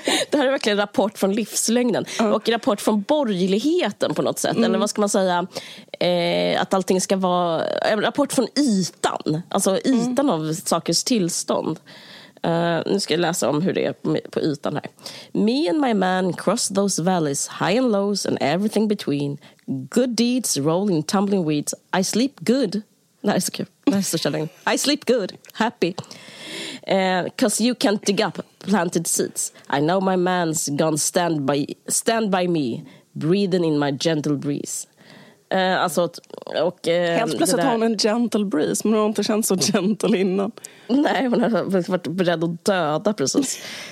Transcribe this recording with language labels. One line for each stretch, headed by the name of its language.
Swedish: Det här är verkligen en rapport från livslögnen. Ja. Och en rapport från borgerligheten på något sätt. Mm. Eller vad ska man säga? Att allting ska vara en rapport från ytan. Alltså ytan av sakers tillstånd. Nu ska jag läsa om hur det är på ytan här.
English: Me and my man crossed those valleys, high and lows and everything between. Good deeds, rolling, tumbling weeds. I sleep good.
Swedish: Nej, så kul. Nej, så kärlek.
English: I sleep good, happy. Cause you can't dig up planted seeds. I know my man's gone stand by me, breathing in my gentle breeze.
Swedish: Alltså, och helt plötsligt har hon en gentle breeze, men hon har inte känt så gentle innan. Nej, hon har varit beredd att döda precis.